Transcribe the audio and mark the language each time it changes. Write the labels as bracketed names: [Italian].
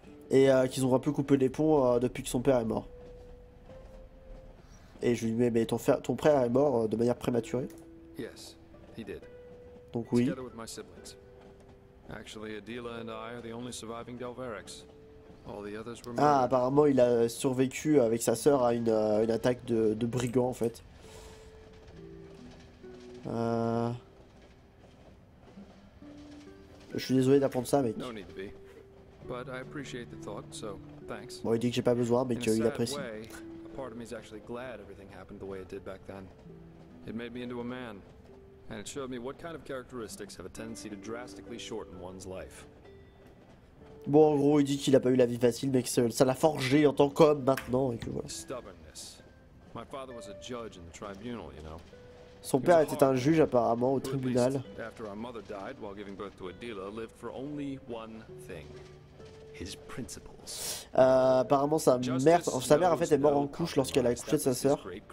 [French] Et qu'ils ont un peu coupé les ponts depuis que son père est mort. Et je lui dis, mais ton frère est mort de manière prématurée. [English] Yes, he did. [French] Donc oui. [English] Actually, Adila and I are the only surviving Delverex. All the others were murdered. [French] Ah, apparemment, il a survécu avec sa sœur à une attaque de brigands, en fait. Je suis désolé d'apprendre ça, mec. [English] No need to be. But I appreciate the thought, so thanks. [French] Bon, il dit que j'ai pas besoin, mais qu'il apprécie. [English] Part of me is actually glad everything happened the way it did back then. It made me into a man, and it showed me what kind of characteristics have a tendency to drastically shorten one's life. [French] Bon, en gros, il dit qu'il a pas eu la vie facile, mais que ça l'a forgé en tant qu'homme maintenant et que voilà. [English] Stubbornness. My father was a judge in the tribunal, you know. [French] Son père était un juge apparemment au tribunal. [English] After our mother died while giving birth to Adila, lived for only one thing. His principles. [French] Apparemment sa mère en fait est morte en couche lorsqu'elle a accouché de sa sœur.